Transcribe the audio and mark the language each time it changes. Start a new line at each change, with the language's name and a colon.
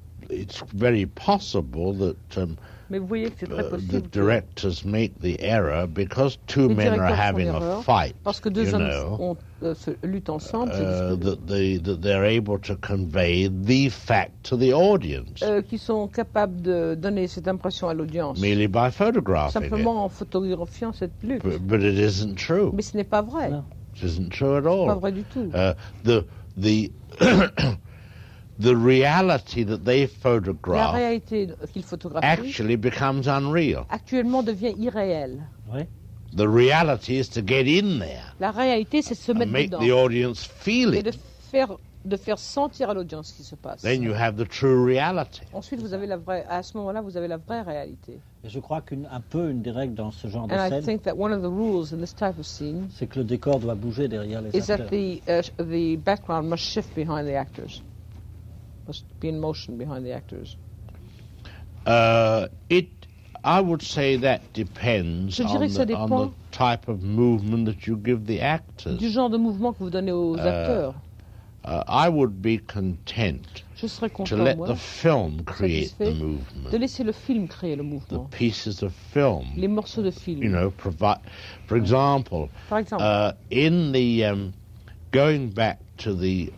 English: It's very possible that the directors make the error because two men are having a fight,
French: parce que deux
English: you know, that they're able to convey the fact to the audience.
French: Qui sont capables de donner cette impression à l'audience.
English: Merely by photographing
French: simplement
English: it.
French: En photographiant cette lutte.
English: But it isn't true.
French: Mais ce n'est pas vrai.
English: It isn't true at all.
French: C'est pas vrai du tout.
English: The reality that they photograph
French: la réalité qu'ils photographient
English: actually becomes unreal.
French: Actuellement devient irréel. Oui.
English: The reality is to get in there.
French: La réalité c'est se mettre
English: and make
French: dedans.
English: The audience feel
French: et
English: it.
French: De faire sentir à l'audience ce qui se passe.
English: Then you have the true reality.
French: Ensuite vous avez la vraie à ce moment-là vous avez la vraie réalité. Et je crois qu'une des règles dans ce genre
English: and
French: de
English: I
French: scène.
English: And I think that one of the rules in this type of scene.
French: C'est que le décor doit bouger derrière les
English: is
French: acteurs.
English: Is that the background must shift behind the actors. Must be in motion behind the actors. It I would say that depends on the type of movement that you give the actors.
French: Du genre de mouvement que vous donnez aux acteurs.
English: I would be content.
French: Je serais content,
English: to let
French: moi,
English: the film create the movement.
French: De laisser le film créer le mouvement.
English: The pieces of film.
French: Les morceaux de film.
English: You know, provide. For example.
French: Par exemple.
English: In the going back to the